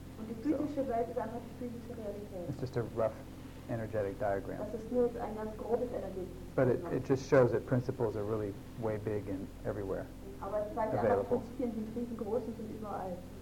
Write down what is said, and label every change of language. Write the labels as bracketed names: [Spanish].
[German] Und die physische Welt ist einfach die physische Realität. [English] It's just a rough energetic diagram. [German] Das ist nur ein ganz grobes energetisches Diagramm. [English] But it just shows that principles are really way big and everywhere. [German] Aber es zeigt einfach, Prinzipien sind riesengroß und sind überall.